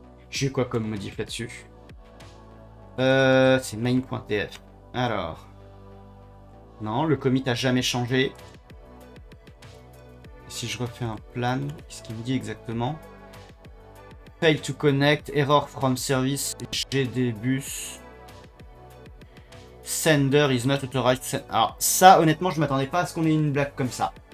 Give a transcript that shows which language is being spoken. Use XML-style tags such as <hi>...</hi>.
<fr>J'ai quoi comme modif là-dessus? C'est main.tf. Alors. Non, le commit a jamais changé. Si je refais un plan, qu'est-ce qu'il me dit exactement?</fr> <en>Fail to connect, error from service, GDBus. Sender is not authorized.</en> <fr>Alors ça, honnêtement, je m'attendais pas à ce qu'on ait une blague comme ça.</fr>